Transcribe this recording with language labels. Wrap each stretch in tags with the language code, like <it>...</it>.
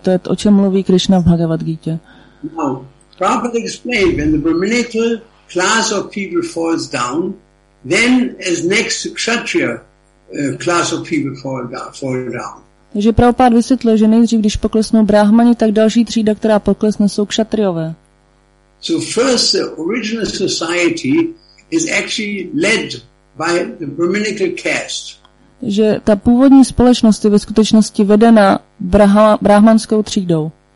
<cs>To je to, o čem mluví Krishna v Bhagavad Gita.</cs> <en>Now, properly explained, when the brahminical class of people falls down, then as next kshatriya class of people fall down.</en> <cs>Takže Prabhupád vysvětlil, že nejdřív, když poklesnou brahmani, tak další třída, která poklesne, jsou kshatriové.</cs> <en>So first the original society is actually led by the brahminical caste.</en> <cs>Takže ta původní společnost je ve skutečnosti vedena brahmanskou třídou.</cs>